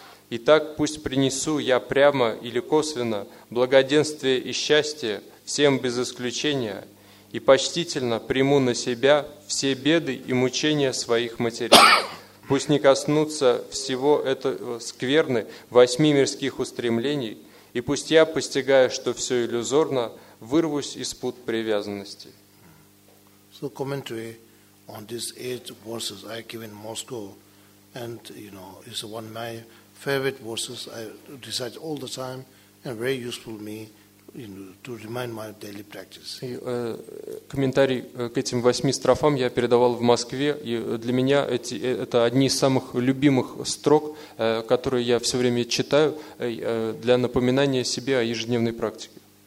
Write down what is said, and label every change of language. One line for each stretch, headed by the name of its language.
Russian: Итак, пусть принесу я прямо или косвенно благоденствие и счастье всем без исключения и почтительно приму на себя все беды и мучения своих матерей. Пусть не коснутся всего этого скверны 8 мирских устремлений, и пусть я, постигая, что все иллюзорно, вырвусь из пут привязанности.
English: So commentary on these 8 verses I give in Moscow, and you know, it's one of my favorite verses. I recite all the time and very useful me. To remind my daily practice.
Russian: И комментарий к этим 8 строфам я передавал в Москве, и для меня это одни из самых любимых строк, которые я все время читаю для напоминания себе о ежедневной практике.